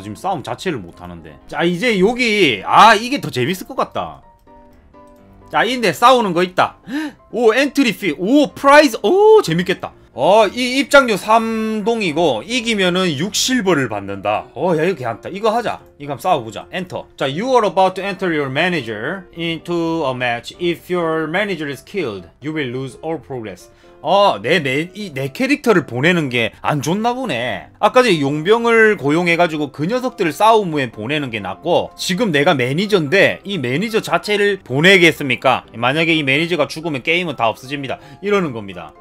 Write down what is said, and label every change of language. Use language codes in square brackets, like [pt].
[ko] 지금 싸움 자체를 못 하는데. 자, 이제 여기. 아, 이게 더 재밌을 것 같다. 자, 인데 싸우는 거 있다. 오, 엔트리 피. 오, 프라이즈. 오, 재밌겠다. 어, 이 입장료 3동이고, 이기면은 6실버를 받는다. 어, 야, 이거 괜찮다. 이거 하자. 이거 한번 싸워보자. 엔터. [en] 자, you are about to enter your manager into a match. If your manager is killed, you will lose all progress. [ko] 어, 내 캐릭터를 보내는 게 안 좋나 보네. 아까 전에 용병을 고용해가지고 그 녀석들을 싸움 후에 보내는 게 낫고, 지금 내가 매니저인데, 이 매니저 자체를 보내겠습니까? 만약에 이 매니저가 죽으면 게임은 다 없어집니다. 이러는 겁니다.